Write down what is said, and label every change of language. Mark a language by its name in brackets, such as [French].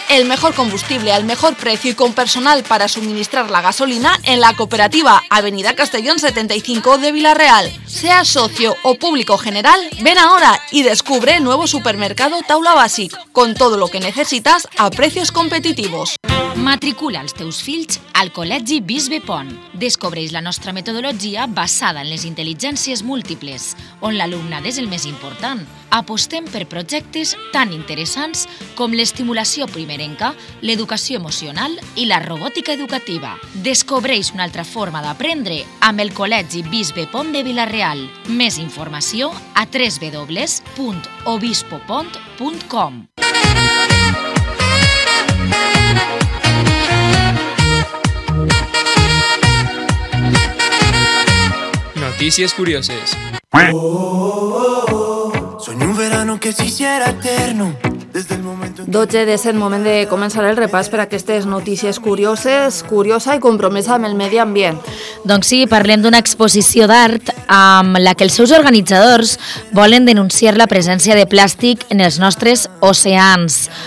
[Spanish] El mejor combustible al mejor precio y con personal para suministrar la gasolina en la cooperativa Avenida Castellón 75 de Vila-real. Sea socio o público general, ven ahora y descubre el nuevo supermercado Taula Bàsic con todo lo que necesitas a precios competitivos. [Catalan] Matricula els teus fills al Col·legi Bisbe Pont. Descobreix la nostra metodologia basada en les intel·ligències múltiples, on l'alumnat és el més important. Apostem per projectes tan interessants com l'estimulació primerenca, l'educació emocional i la robòtica educativa. Descobreix una altra forma d'aprendre amb el Col·legi Bisbe Pont de Vila-real. Més informació a www.obispopont.com. [Spanish] Noticias curiosas. Soy un verano que se hiciera eterno. [Catalan] 12 de 7, moment de començar el repàs per aquestes notícies curioses, curiosa i compromesa amb el medi ambient. Doncs sí, parlem d'una exposició d'art amb la que els seus organitzadors volen denunciar la presència de plàstic en els nostres oceans.